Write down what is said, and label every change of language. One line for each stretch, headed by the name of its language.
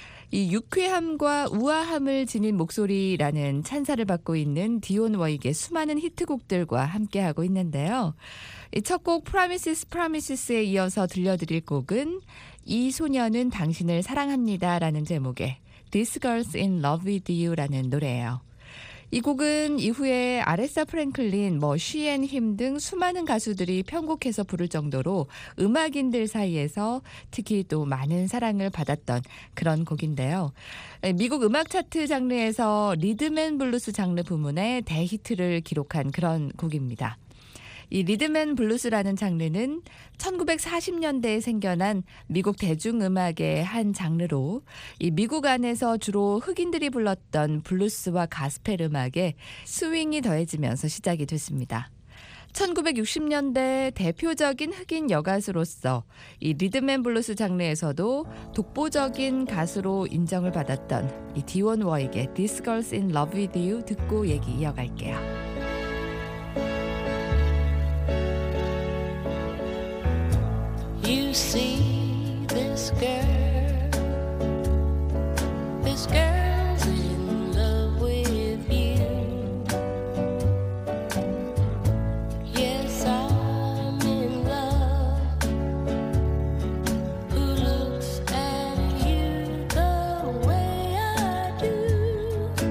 Korean: 이 유쾌함과 우아함을 지닌 목소리라는 찬사를 받고 있는 디온 워익의 수많은 히트곡들과 함께하고 있는데요. 이 첫 곡 Promises, Promises에 이어서 들려드릴 곡은 이 소녀는 당신을 사랑합니다라는 제목의 This Girl's in Love with You라는 노래예요. 이 곡은 이후에 아레사 프랭클린, 뭐 쉬앤 힘 등 수많은 가수들이 편곡해서 부를 정도로 음악인들 사이에서 특히 또 많은 사랑을 받았던 그런 곡인데요. 미국 음악 차트 장르에서 리듬앤 블루스 장르 부문의 대히트를 기록한 그런 곡입니다. 이 리듬앤 블루스라는 장르는 1940년대에 생겨난 미국 대중음악의 한 장르로 이 미국 안에서 주로 흑인들이 불렀던 블루스와 가스펠 음악에 스윙이 더해지면서 시작이 됐습니다. 1960년대 대표적인 흑인 여가수로서 이 리듬앤블루스 장르에서도 독보적인 가수로 인정을 받았던 이 디원 워에게 This Girl's in Love with You 듣고 얘기 이어갈게요.
English: You see this girl, this girl's in love with you. Yes, I'm in love. Who looks at you the way I do?